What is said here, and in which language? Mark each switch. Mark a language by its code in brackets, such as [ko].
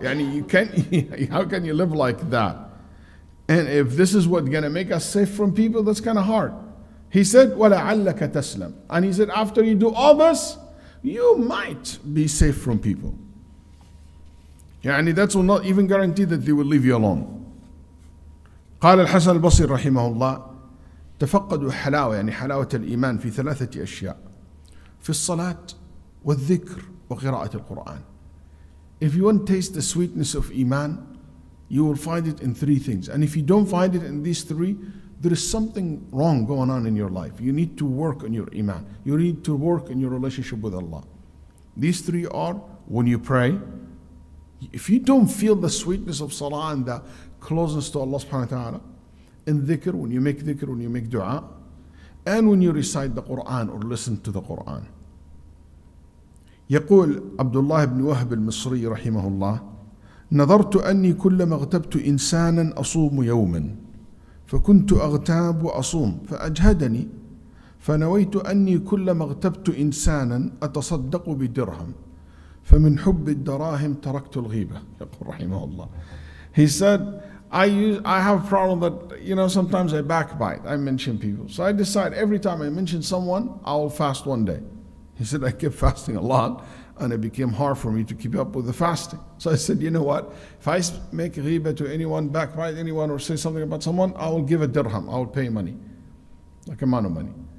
[en] Yani you can, how can you live like that? And if this is what's going to make us safe from people, that's kind of hard. He said, [ar] وَلَعَلَّكَ تَسْلَمْ. [en] And he said, after you do all this, you might be safe from people. Yani that's not even guaranteed that they will leave you alone. [ar] قال الحسن البصير رحمه الله تفقدوا حلاوة يعني حلاوة الإيمان في ثلاثة أشياء في الصلاة والذكر وقراءة القرآن. [en] If you want to taste the sweetness of Iman, you will find it in three things. And if you don't find it in these three, there is something wrong going on in your life. You need to work on your Iman. You need to work in your relationship with Allah. These three are when you pray. If you don't feel the sweetness of Salah and the closeness to Allah subhanahu wa ta'ala, in dhikr, when you make dhikr, when you make dua, and when you recite the Quran or listen to the Quran. [ar] يقول عبد الله بن وهب المصري رحمه الله نظرت أني كلما اغتبت إنسانا أصوم يوما فكنت أغتاب وأصوم فأجهدني فنويت أني كلما اغتبت إنسانا أتصدق بدرهم فمن حب الدراهم تركت الغيبة. يقول رحمه الله. [en] He said, I have a problem that, you know, sometimes I backbite. I mention people. So I decide every time I mention someone, I'll fast one day. He said, I kept fasting a lot and it became hard for me to keep up with the fasting. So I said, you know what? If I make ghiba to anyone, backbite anyone or say something about someone, I will give a dirham, I will pay money, like amount of money.